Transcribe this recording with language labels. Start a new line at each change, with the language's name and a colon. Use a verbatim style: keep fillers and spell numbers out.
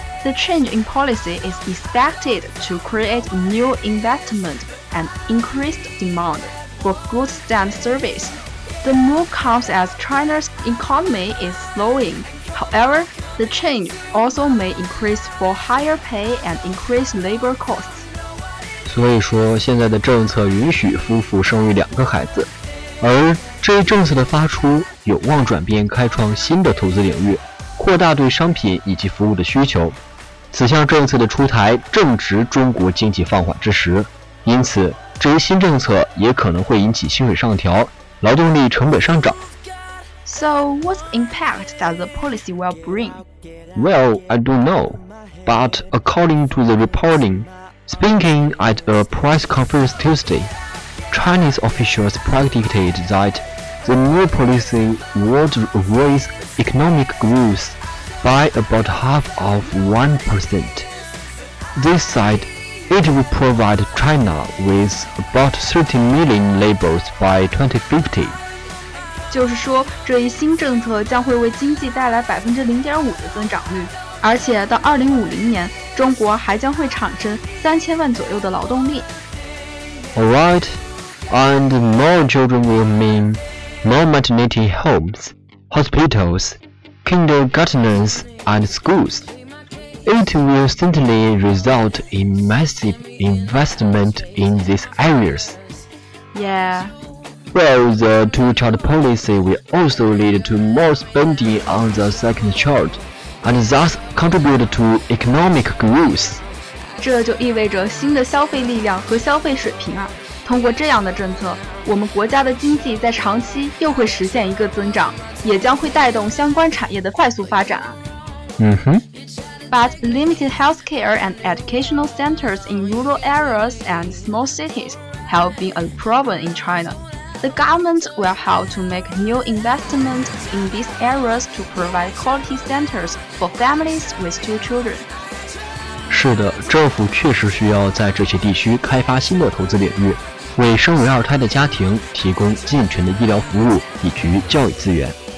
English: The change in policy is expected to create new investment and increased demand for goods and services. The move comes as China's economy is slowing. However, the change also may increase for higher pay and increased labor costs.
Chinese: 所以说现在的政策允许夫妇生育两个孩子，而这一政策的发出有望转变开创新的投资领域，扩大对商品以及服务的需求。此项政策的出台正值中国经济放缓之时，因此这一新政策也可能会引起薪水上调，劳动力成本上涨。
English: So what impact does the policy will bring? Well, I don't know, but according to the reporting,Speaking at a press conference Tuesday, Chinese officials predicted that the new policy would raise economic growth by about half of one percent. They said it would provide China with about thirty million labels by twenty fifty.
Chinese: 就是说，这一新政策将会为经济带来 百分之零点五 的增长率。而且到二零五零年，中国还将会产生三千万左右的劳动力。
English: All right, and more children will mean more maternity homes, hospitals, kindergartens, and schools. It will certainly result in massive investment in these areas. Yeah. Well, the two-child policy will also lead to more spending on the second child. And thus contribute to economic growth.
Chinese: 这就意味着新的消费力量和消费水平啊！通过这样的政策，我们国家的经济在长期又会实现一个增长，也将会带动相关产业的快速发展啊！嗯哼。
English: But limited healthcare and educational centers in rural areas and small cities have been a problem in China. The government will have to make new investments in these areas to provide quality centers for families with two children.
Chinese: 是的，政府确实需要在这些地区开发新的投资领域，为生为二胎的家庭提供健全的医疗服务以及教育资源。